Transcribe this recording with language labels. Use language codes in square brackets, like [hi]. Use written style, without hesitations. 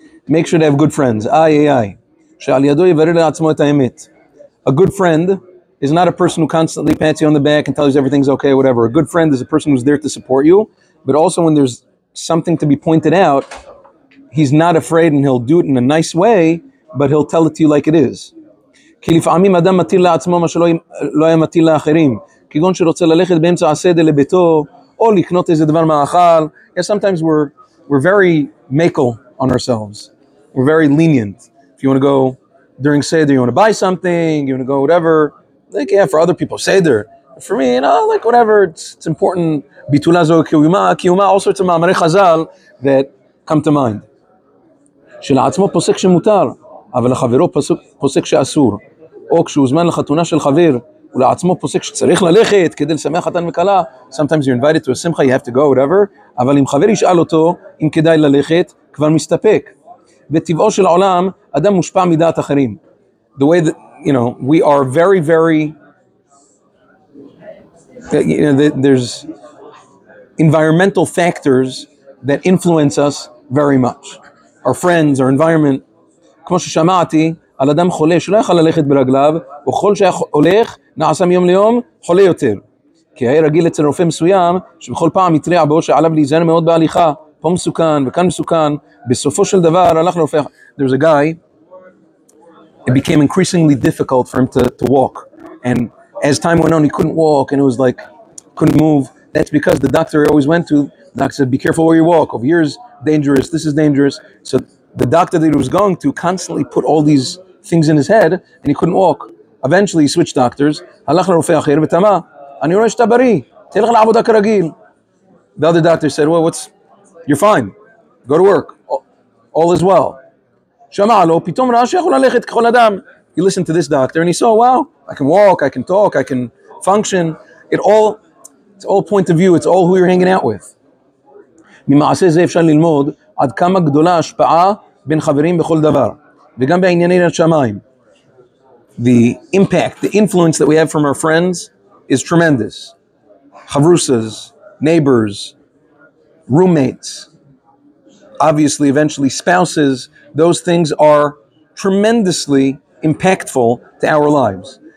[en] Make sure they have good friends. [he] Sha'al yado yivarer le'atzmo et ha'emet. [en] A good friend is not a person who constantly pats you on the back and tells you everything's okay, whatever. A good friend is a person who's there to support you, but also when there's something to be pointed out, he's not afraid and he'll do it in a nice way, but he'll tell it to you like it is. [he] כי לפעמים אדם מטיל לעצמו מה שלא היה מטיל לאחרים. כגון שרוצה ללכת באמצע הסדר לביתו, או לקנות איזה דבר מאכל. [en] Yeah, sometimes we're very makel on ourselves. We're very lenient. If you want to go during seder, you want to buy something, you want to go whatever. Like, yeah, for other people, seder. For me, you know, like whatever, it's important. [he] ביטולה זו קיומה, קיומה, [en] all sorts of מאמרי חזל that come to mind. [he] שלעצמו פוסק שמותר. אבל לחברו פוסק שאסור, או כשהוזמן לחתונה של חבר, ולעצמו פוסק שצריך ללכת כדי לשמח חתן וכלה, [en] sometimes you're invited to a simcha, you have to go, whatever, [he] אבל אם חבר ישאל אותו אם כדאי ללכת, כבר מסתפק. בטבעו של העולם, אדם מושפע מדעת אחרים. [en] The way that, you know, we are very, very, you know, there's environmental factors that influence us very much. Our friends, our environment, [he] כמו ששמעתי על אדם חולה שלא יכל ללכת ברגליו, וכל שהולך נעשה מיום ליום חולה יותר. כי היה רגיל אצל רופא מסוים שבכל פעם התריע בו שעליו להיזהר מאוד בהליכה, פה מסוכן וכאן מסוכן, בסופו של דבר הלך לרופא. [en] There's a guy, it became increasingly difficult for him to walk. And as time went on, he couldn't walk and it was like, couldn't move. That's because the doctor he always went to, the doctor said, be careful where you walk. Over here is dangerous, this is dangerous. So the doctor that he was going to constantly put all these things in his head and he couldn't walk. Eventually he switched doctors. [he] הלך לרופא אחר ותמה, אני רואה שאתה בריא, תלך לעבודה כרגיל. [en] The other doctor said, well, what's, you're fine, go to work, all is well. [he] שמע לו, פתאום ראה שיכול ללכת ככל אדם. [en] He listened to this doctor and he saw, wow, I can walk, I can talk, I can function. It's all point of view, it's all who you're hanging out with. [he] ממעשה זה אפשר ללמוד, עד כמה גדולה השפעה בין חברים בכל דבר, וגם בענייני השמיים. [en] The impact, the influence that we have from our friends is tremendous. Chavrusas, neighbors, roommates, obviously eventually spouses, those things are tremendously impactful to our lives.